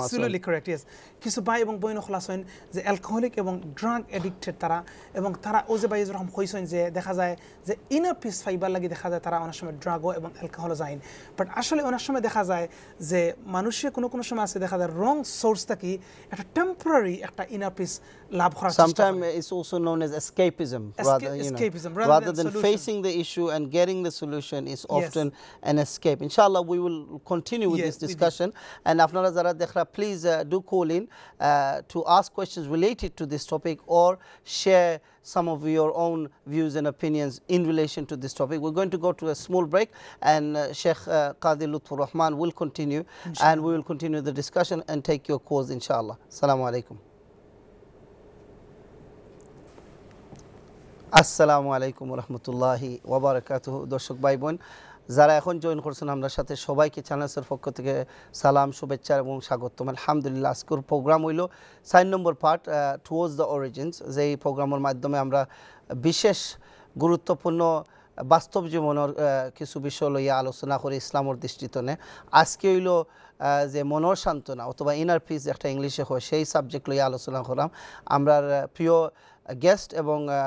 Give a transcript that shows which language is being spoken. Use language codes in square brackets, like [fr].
[en] absolutely correct yes [syl] কিছু ভাই এবং বইন খলাস হইন যে অ্যালকোহলিক এবং ড্রাগ এডিক্টেড তারা এবং তারা ও যে ভাই যখন হইছেন যে দেখা যায় যে ইনার পিস ফাইবার লাগি দেখা যায় তারা অনেক সময় ড্রাগও এবং অ্যালকোহলও যায়ন বাট আসলে অনেক সময় দেখা যায় যে মানুষের কোনো কোনো সময় আছে দেখা যায় রং সোর্স থাকি একটা টেম্পোরারি একটা ইনার পিস লাভ করার [en] Sometime it's also known as escapism rather than facing the issue and getting the solution is often an escape. Inshallah, we will continue with this discussion. And [syl] apnara jara dekhra, [en] please do call in to ask questions related to this topic or share some of your own views and opinions in relation to this topic. We're going to go to a small break and Shaykh Kazi Lutfur Rahman will continue inshallah. And we will continue the discussion and take your calls, inshallah. [ar] Assalamu alaikum. [syl] আসসালামু আলাইকুম রহমতুল্লাহি ওয়া বারাকাতুহু দর্শক ভাই বোন যারা এখন জয়েন করছেন আমরা সাথে সবাইকে চ্যানেলসের পক্ষ থেকে সালাম শুভেচ্ছা এবং স্বাগত আলহামদুলিল্লাহ আজকের প্রোগ্রাম হইল 4 নম্বর পার্ট টুয়ার্ডস দ্য অরিজিনস যেই প্রোগ্রামের মাধ্যমে আমরা বিশেষ গুরুত্বপূর্ণ বাস্তব জীবনের কিছু বিষয় লইয়া আলোচনা করি ইসলামের দৃষ্টিতে আজকে হইল যে মনের সান্ত্বনা অথবা ইনার পিস একটা ইংলিশে হয় সেই সাবজেক্ট লইয়া আলোচনা করলাম আমরার প্রিয় গেস্ট এবং